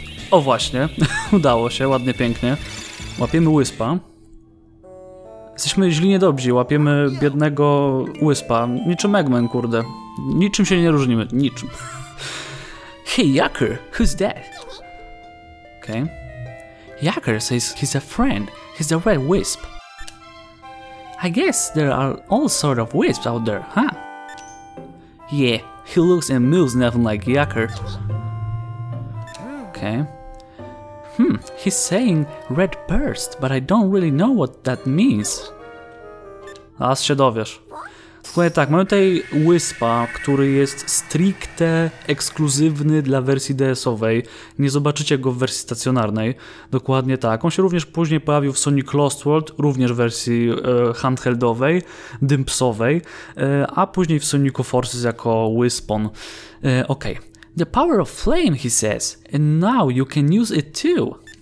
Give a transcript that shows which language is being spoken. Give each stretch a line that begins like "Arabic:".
Polish: O właśnie, udało się, ładnie, pięknie. Łapiemy wyspa. Jesteśmy źli niedobrzy, łapiemy biednego wyspa. Niczym Eggman, kurde. Niczym się nie różnimy, niczym.
English: Hey, Yucker, who's that? Okay. Yucker says he's a friend. He's a red wisp. I guess there are all sort of wisps out there, huh? Yeah, he looks and moves nothing like Yucker. Okay. He's saying red burst, but I don't really know what that means.
Polish: Zaraz się dowiesz. Słuchaj, tak, mamy tutaj wyspa, który jest stricte ekskluzywny dla wersji DS-owej. Nie zobaczycie go w wersji stacjonarnej. Dokładnie tak. On się również później pojawił w Sonic Lost World, również w wersji handheldowej, dimpsowej, a później w Sonicu Forces jako wyspon. Okej. Okay.
English: The power of flame, he says, and now you can use it too.